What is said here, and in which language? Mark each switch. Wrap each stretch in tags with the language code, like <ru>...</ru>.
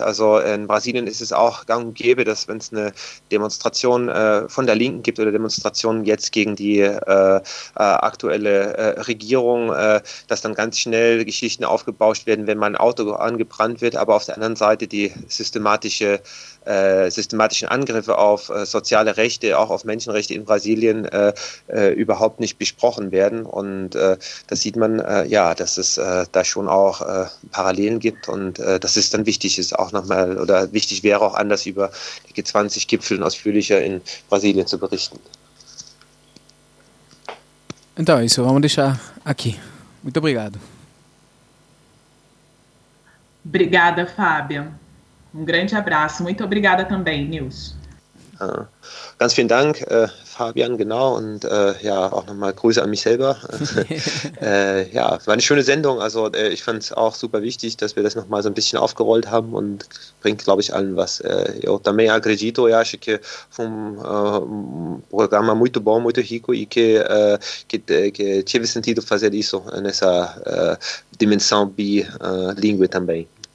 <de>Also in Brasilien ist es auch gang und gäbe, dass wenn es eine Demonstration von der Linken gibt oder Demonstrationen jetzt gegen die aktuelle Regierung, dass dann ganz schnell Geschichten aufgebauscht werden, wenn mein Auto angebrannt wird, aber auf der anderen Seite die systematischen Angriffe auf soziale Rechte, auch auf Menschenrechte in Brasilien überhaupt nicht besprochen werden. Und das sieht man, dass es da schon auch Parallelen gibt und dass es dann wichtig ist, auch nochmal, oder wichtig wäre auch anders über die G20-Gipfel ausführlicher in Brasilien zu berichten.</de> <pt>Então, isso vamos deixar aqui. Muito obrigado. Obrigada, Fabian. Um grande abraço. Muito obrigada também, Nils.</pt> <de>Ganz vielen Dank, Fabian, genau. Und auch nochmal Grüße an mich selber. war eine schöne Sendung. Also ich fand es auch super wichtig, dass wir das nochmal so ein bisschen aufgerollt haben und bringt, glaube ich, allen was.</de> <pt>Eu também acredito, eu acho que foi programa muito bom, muito rico e que teve sentido fazer isso nessa dimensão bilingue também.</pt>